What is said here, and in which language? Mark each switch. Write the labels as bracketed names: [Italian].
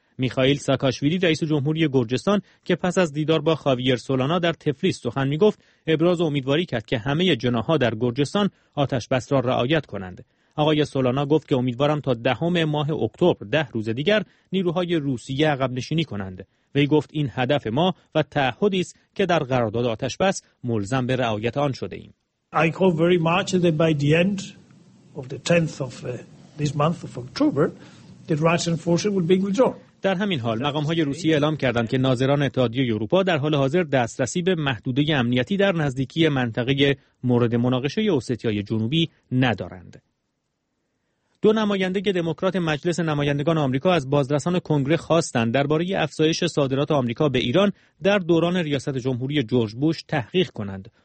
[Persian] میخائیل ساکاشویلی رئیس جمهوری گرجستان که پس از دیدار با خاویر سولانا در تفلیس سخن میگفت، ابراز امیدواری کرد که همه جناح‌ها در گرجستان آتش‌بس را رعایت کنند. آقای سولانا گفت که امیدوارم تا دهم ماه اکتبر 10 روز دیگر نیروهای روسیه عقب نشینی کنند. وی گفت این هدف ما و تعهدی است که در قرارداد آتش بس ملزم به رعایت آن شده ایم. [English] I hope very much that by the end of the 10th of this month of October the Russian forces will be withdrawn. [Persian] در همین حال مقام‌های روسیه اعلام کردند که ناظران اتحادیه اروپا در حال حاضر دسترسی به محدوده امنیتی در نزدیکی منطقه مورد مناقشه اوستیای جنوبی ندارند. دو نماینده دموکرات مجلس نمایندگان آمریکا از بازرسان کنگره خواستند درباره افزایش صادرات آمریکا به ایران در دوران ریاست جمهوری جورج بوش تحقیق کنند.